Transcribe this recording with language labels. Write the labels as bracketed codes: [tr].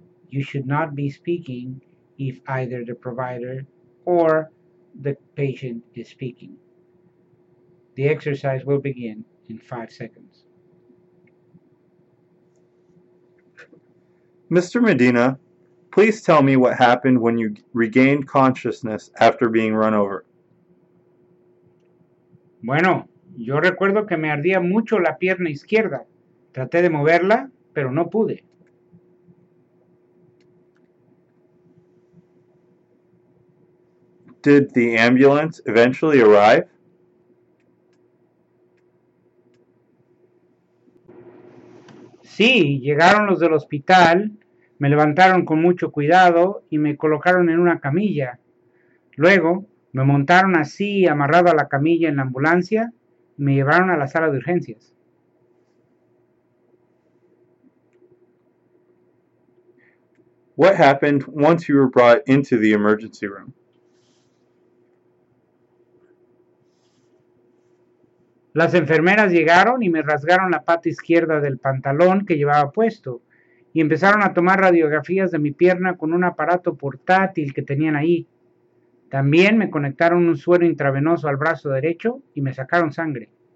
[en] You should not be speaking if either the provider or the patient is speaking. The exercise will begin in 5 seconds. Mr. Medina, please tell me what happened when you regained consciousness after being run over. [es] Bueno, yo recuerdo que me ardía mucho la pierna izquierda. Traté de moverla, pero no pude. [en] Did the ambulance eventually arrive? [es] Sí, llegaron los del hospital. Me levantaron con mucho cuidado y me colocaron en una camilla. Luego, me montaron así, amarrado a la camilla en la ambulancia, y me llevaron a la sala de urgencias. [en] What happened once you were brought into the emergency room? [es] Las enfermeras llegaron y me rasgaron la pata izquierda del pantalón que llevaba puesto. Y empezaron a tomar radiografías de mi pierna con un aparato portátil que tenían ahí. También me conectaron un suero intravenoso al brazo derecho y me sacaron sangre.